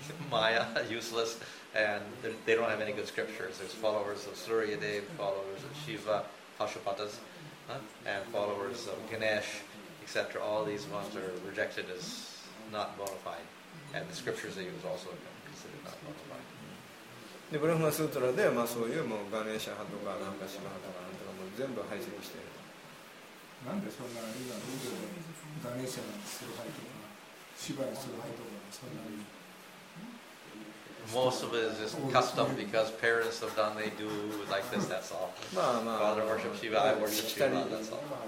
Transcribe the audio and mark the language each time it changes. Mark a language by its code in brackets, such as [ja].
[en] Maya, useless, and they don't have any good scriptures. There's followers of Surya Dev, followers of Shiva, Pashupatas, and followers of Ganesh, etc. All these ones are rejected as not bona fide, and the scriptures they use also are considered not bona fide. The Brahma Sutra, there, [ja] まあそういうもうガネーシャ派とかなんかシヴァ派とかなんとかも全部排斥している。なんでそんなにガネーシャの崇拝とかシヴァの崇拝とかそんなに。 [en] Most of it is just custom because parents have done, they do like this, that's all. Father worship Shiva, I worship Shiva, that's all.